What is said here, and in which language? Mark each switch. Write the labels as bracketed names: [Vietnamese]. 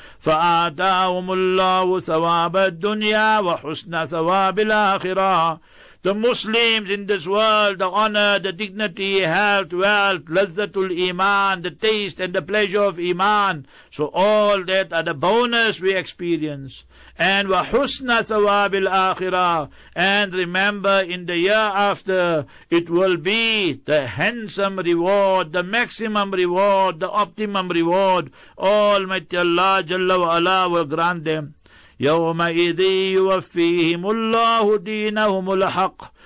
[Arabic] فَآتَاهُمُ اللَّهُ ثَوَابَ الدُّنْيَا وَحُسْنَ ثَوَابِ الْآخِرَةِ. [English] The Muslims in this world, the honor, the dignity, health, wealth, [Arabic] لَذَّةُ الْإِيمَانِ, [English] the taste and the pleasure of Iman. So all that are the bonus we experience. And [Arabic] وَحُسْنَ ثَوَابِ الْآخِرَةِ. [English] And remember, in the year after, it will be the handsome reward, the maximum reward, the optimum reward. Almighty Allah Jalla wa Ala will grant them. [Arabic] يَوْمَ إِذِي يُوَفِّيهِمُ اللَّهُ دِينَهُمُ الْحَقِّ.